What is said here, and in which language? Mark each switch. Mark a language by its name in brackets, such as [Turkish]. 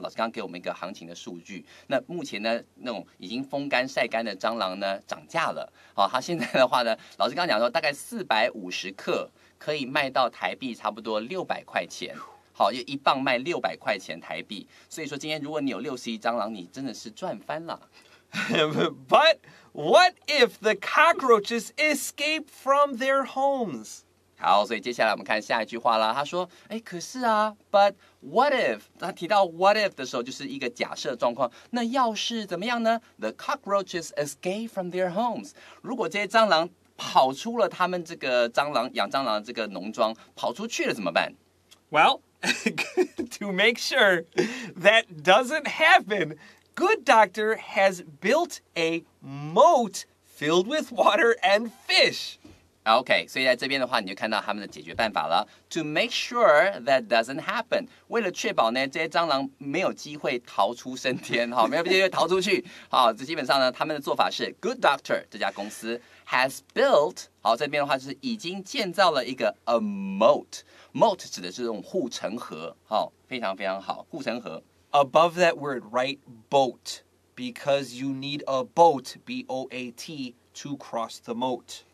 [Chinese] 老师刚刚给我们一个行情的数据。那目前呢，那种已经风干晒干的蟑螂呢，涨价了。好、哦，它现在的话呢，老师刚刚讲说大概450克。可以卖到台币差不多600块钱，好，就一磅卖600块钱台币。所以说今天如果你有61蟑螂，你真的是赚翻了。 [English] But what if the cockroaches escape from their homes? [Chinese] 好，所以接下来我们看下一句话啦。他说，哎，可是啊 ， [English] But what if？ [Chinese] 他提到 what if 的时候，就是一个假设状况。那要是怎么样呢 ？ [English] The cockroaches escape from their homes。 [Chinese] 如果这些蟑螂跑出了他们这个蟑螂养蟑螂的这个农庄，跑出去了怎么办 [English] ？Well, to make sure that doesn't happen, good doctor has built a moat filled with water and fish. Okay, [Chinese] 所以在这边的话，你就看到他们的解决办法了。 [English] To make sure that doesn't happen, [Chinese] 为了确保呢这些蟑螂没有机会逃出升天，好，没有机会逃出去，好，这基本上呢他们的做法是 good doctor 这家公司。 [English] Has built, [Chinese] 好，在这边的话就是已经建造了一个 [English] a moat. [Chinese] Moat 指的是这种护城河，好，非常非常好，护城河。 [English] Above that word, write boat, because you need a boat, B-O-A-T, to cross the moat.